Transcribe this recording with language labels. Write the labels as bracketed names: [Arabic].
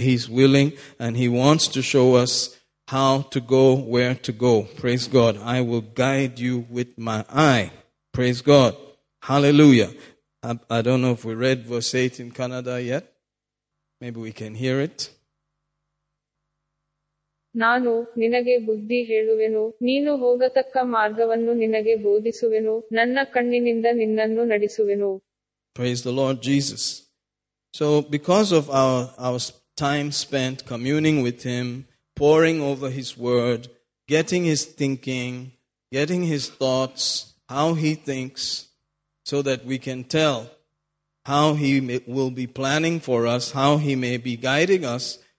[English] He's willing and he wants to show us how to go, where to go. Praise God. I will guide you with my eye. Praise God. Hallelujah. I don't know if we read verse 8 in Canada yet. Maybe we can hear it. [Kannada] ನಾನು ನಿನಗೆ ಬುದ್ಧಿ ಹೇಳುವೆನು ನೀನು ಹೋಗತಕ್ಕ ಮಾರ್ಗವನ್ನು ನಿನಗೆ ಬೋಧಿಸುವೆನು ನನ್ನ ಕಣ್ಣಿನಿಂದ ನಿನ್ನನ್ನು ನಡೆಸುವೆನು. [English] Praise the Lord Jesus. So because of our time spent communing with him, poring over his word, getting his thinking, getting his thoughts, how he thinks, so that we can tell how he will be planning for us, how he may be guiding us.